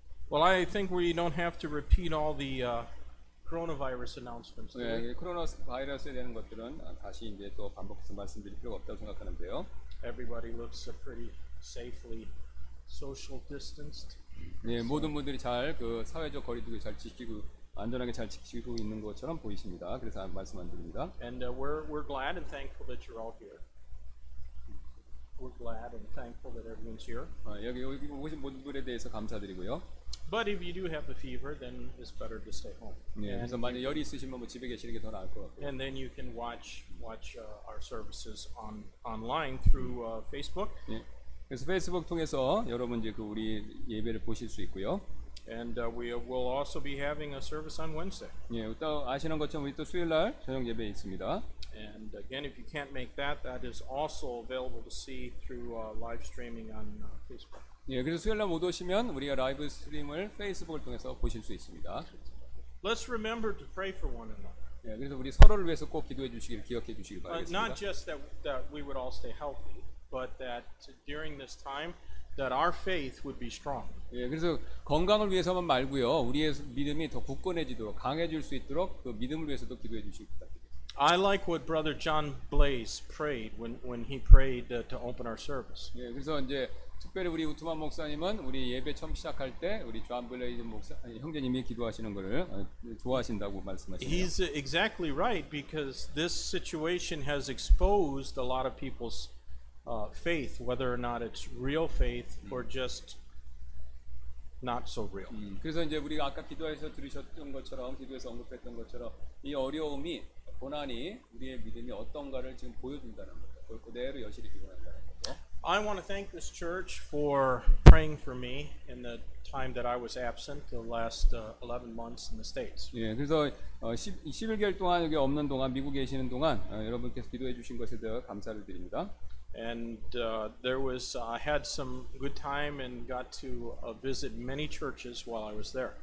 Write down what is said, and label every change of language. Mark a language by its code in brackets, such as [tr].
[en] Well, I think we don't have to repeat all the coronavirus announcements. [ko] 네, 코로나바이러스에 대한 것들은 다시 이제 또 반복해서 말씀드릴 필요 없다고 생각하는데요. [en] Everybody looks pretty safely social distanced. [ko] 네, 모든 분들이 잘 그 사회적 거리두기 잘 지키고 안전하게 잘 지키고 있는 것처럼 보이십니다. 그래서 말씀 안 드립니다. [en] And we're glad and thankful that you're all here. We're glad and thankful that everyone's here. [ko] 여기 오신 모든 분에 대해서 감사드리고요. [en] But if you do have the fever, then it's better to stay home. [ko] 네, 그래서 만약 열이 있으시면 뭐 집에 계시는 게 더 나을 것 같고. [en] And then you can watch our services online through Facebook. [ko] 네, 그래서 페이스북 통해서 여러분 이제 그 우리 예배를 보실 수 있고요. [en] And we will also be having a service on Wednesday. [ko] 네, 또 아시는 것처럼 우리 또 수요일 날 저녁 예배 있습니다. [en] And again, if you can't make that, that is also available to see through live streaming on Facebook. [ko] 예, 그래서 수요일 날 못 오시면 우리가 라이브 스트림을 페이스북을 통해서 보실 수 있습니다. [en] Let's remember to pray for one another. [ko] 예, 그래서 우리 서로를 위해서 꼭 기도해 주시길 기억해 주시길 바라겠습니다. [en] Not just that we would all stay healthy, but that during this time, that our faith would be strong. [ko] 예, 그래서 건강을 위해서만 말고요, 우리의 믿음이 더 굳건해지도록 강해질 수 있도록 그 믿음을 위해서도 기도해 주시길 바랍니다. [en] I like what Brother John Blaze prayed when he prayed to open our service. [ko] 예, 그래서 이제 특별히 우리 우투만 목사님은 우리 예배 처음 시작할 때 우리 존 블레이즈 목사 형제님이 기도하시는 것을 좋아하신다고 말씀하시네요. [en] He's exactly right because this situation has exposed a lot of people's faith, whether or not it's real faith or just not so real. [ko] 그래서 이제 우리가 아까 기도에서 들으셨던 것처럼 기도에서 언급했던 것처럼 이 어려움이 고난이 우리의 믿음이 어떤가를 지금 보여준다는 거죠. 그대로 여실히 드러난다는 거죠. [en] I want to thank this church for praying for me in the time that I was absent the last 11 months in the States. [ko] 예, 그래서 11개월 동안 여기 없는 동안 미국에 계시는 동안 여러분께서 기도해 주신 것에 대해 감사를 드립니다. [en] And there was I had some good time and got to visit many churches while I was there.